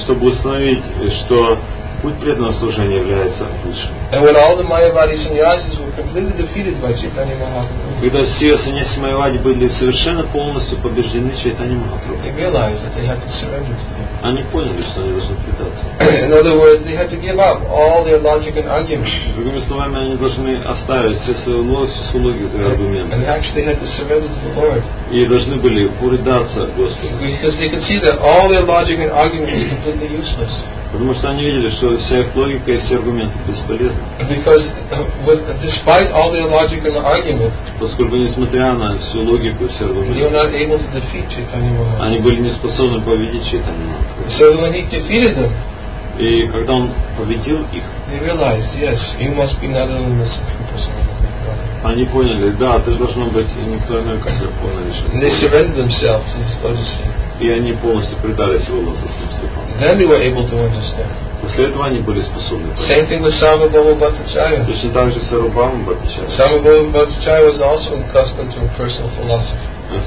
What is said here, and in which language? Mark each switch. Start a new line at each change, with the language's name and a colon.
Russian: Чтобы установить, что путь преданного служения является лучшим.
English: And when all the Mayavadi sannyasis were completely defeated by Chaitanya Mahaprabhu,
Russian: когда все сеньяси Майавади были совершенно полностью побеждены Чайтанья Махапрабху,
English: they realized that they had to surrender to him.
Russian: Они поняли, что они должны предаться.
English: In other words, they had to give up all their logic and arguments.
Russian: Другими словами, они должны оставить все свою логику и аргументы.
English: And actually, they actually had to surrender to the Lord.
Russian: И должны были предаться Господу.
English: Because they could see that all their logic and arguments were completely useless.
Russian: Потому что они видели, что вся их логика и все аргументы бесполезны.
English: Because, despite all their logic and argument,
Russian: поскольку несмотря на всю логику и все аргументы,
English: they were not able to defeat Chaitanya Mahaprabhu.
Russian: Они были не способны победить Чайтанью Махапрабху.
English: So when he defeated them,
Russian: и когда он победил их,
English: they realized, yes, you must be not only the Supreme Personality of God.
Russian: Они поняли, да, ты должно быть никто иной, как Верховная Личность.
English: They surrendered themselves to his lotus feet.
Russian: И они полностью предались его лотосным стопам.
English: Then they were able to understand.
Russian: После этого они были способны понять.
English: Same thing with Sarvabhava Bhattacharya.
Russian: Точно так же Сарубхава Бхаттачарья.
English: Sarvabhava Bhattacharya was also accustomed to a personal philosophy.